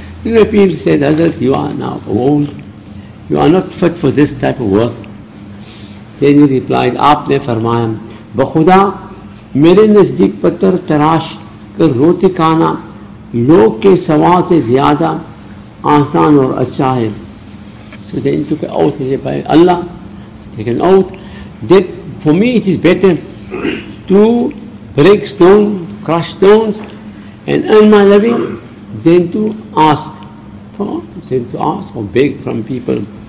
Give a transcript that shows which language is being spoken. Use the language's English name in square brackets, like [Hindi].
[English] The people said, Hazrat, you are now old. You are not fit for this type of work. Then he replied, [Urdu] آپ نے فرمایا بخدا میرے نزدیک پتھر تراش کر روٹی کھانا لوگ کے ثواب سے زیادہ آسان اور اچھا ہے. [English] So then took an oath. He said, Allah, take an oath that for me it is better to break stone, crush stones and earn my living than to ask for, than to ask or beg from people.